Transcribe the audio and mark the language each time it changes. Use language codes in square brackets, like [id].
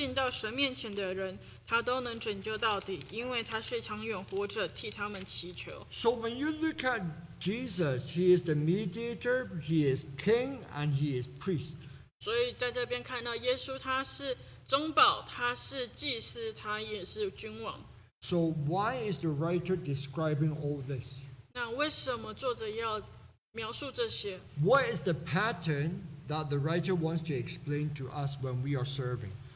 [zh] 24节，这位既是永远长存的，他祭司的职位就长久不更换。25节，凡靠着他进到神面前的人。他都能拯救到底, [en] so when you look at Jesus, he is the mediator, he is king, and he is priest. [zh] 所以在这边看到耶稣他是宗保,他是祭司,他也是君王。 [en] So why is the writer describing all this? [zh] 那为什么作者要描述这些? [en] What is the pattern that the writer wants to explain to us when we are serving?